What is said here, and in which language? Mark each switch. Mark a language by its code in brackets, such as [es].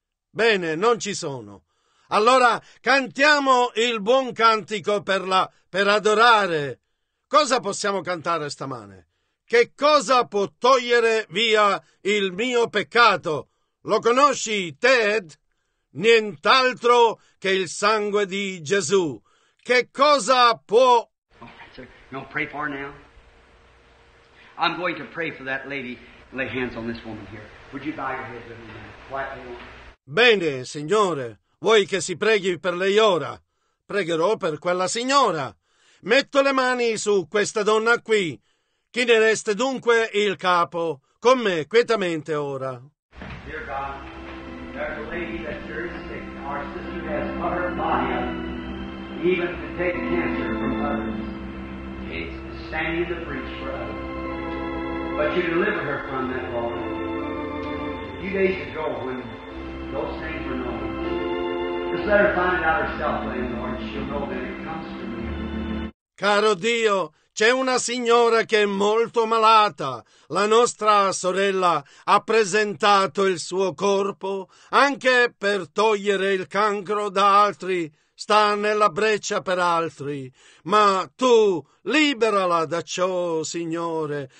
[it] Bene, non ci sono. Allora cantiamo il buon cantico per adorare. Cosa possiamo cantare stamane? Che cosa può togliere via il mio peccato? Lo conosci, Ted? Nient'altro che il sangue di Gesù. Che cosa può... [en] No, pray for now. I'm going to pray for that lady. Lay hands on this woman here. Would you bow your head with me now? [it] Bene, Signore. Vuoi che si preghi per lei ora? Pregherò per quella signora. Metto le mani su questa donna qui. Chinereste dunque il capo con me quietamente ora. [en] Dear God, there's a lady that's very sick. Our sister has put her body up, even to take cancer from others. It's standing in the breach for us. But you deliver her from that, Lord. A few days ago, when those things were known, just let her find it out herself, Lord. She'll know that it comes from you. [it] Caro Dio, c'è una signora che è molto malata. La nostra sorella ha presentato il suo corpo anche per togliere il cancro da altri. Sta nella breccia per altri. Ma tu liberala da ciò, Signore.